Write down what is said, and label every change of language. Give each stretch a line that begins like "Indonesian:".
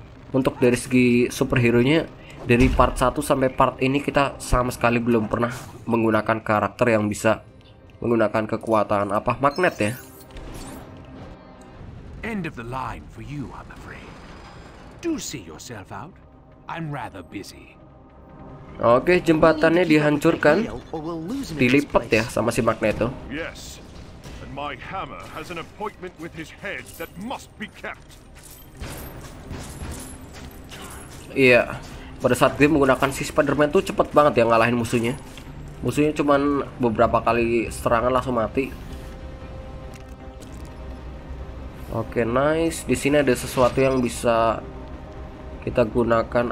Indonesian: Untuk dari segi superhero-nya, dari part 1 sampai part ini kita sama sekali belum pernah menggunakan karakter yang bisa menggunakan kekuatan apa magnet ya.
English: End of the line for you, I'm afraid. Do see yourself out. I'm rather busy.
Indonesian: Oke, jembatannya dihancurkan, dilipat ya sama si Magneto.
English: Yes, and my hammer has an appointment with his head that must be kept.
Indonesian: Iya, pada saat gue menggunakan si Spider-Man tuh cepet banget ya ngalahin musuhnya. Musuhnya cuman beberapa kali serangan langsung mati. Oke, nice. Di sini ada sesuatu yang bisa kita gunakan.